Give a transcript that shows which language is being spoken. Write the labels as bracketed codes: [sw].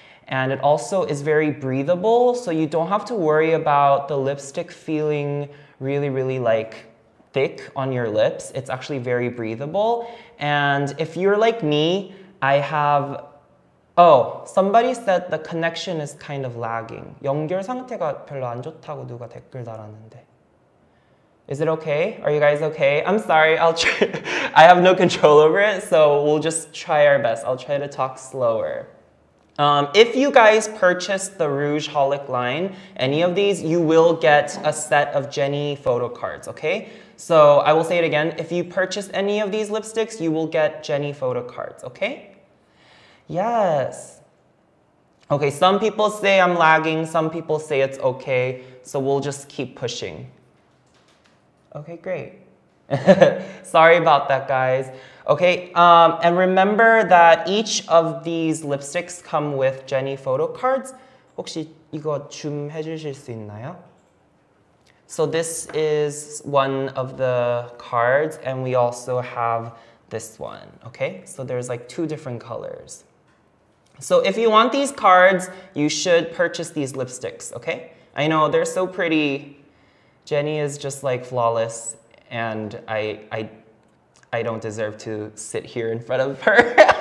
[en] And it also is very breathable, so you don't have to worry about the lipstick feeling really, really like thick on your lips. It's actually very breathable. And if you're like me, I have... Oh, somebody said the connection is kind of lagging. [ko] 연결 상태가 별로 안 좋다고 누가 댓글 달았는데. [en] Is it okay? Are you guys okay? I'm sorry, I'll try... I have no control over it, so we'll just try our best. I'll try to talk slower. If you guys purchase the Rouge Holic line, any of these, you will get a set of Jennie photo cards, okay? So I will say it again. If you purchase any of these lipsticks, you will get Jennie photo cards, okay? Yes. Okay, some people say I'm lagging. Some people say it's okay. So we'll just keep pushing. Okay, great. Sorry about that, guys. Okay, and remember that each of these lipsticks come with Jennie photo cards. [ko] 혹시 이거 줌 해주실 수 있나요? [en] So this is one of the cards, and we also have this one, okay? So there's like two different colors. So if you want these cards, you should purchase these lipsticks, okay? I know, they're so pretty. Jennie is just like flawless, and I don't deserve to sit here in front of her.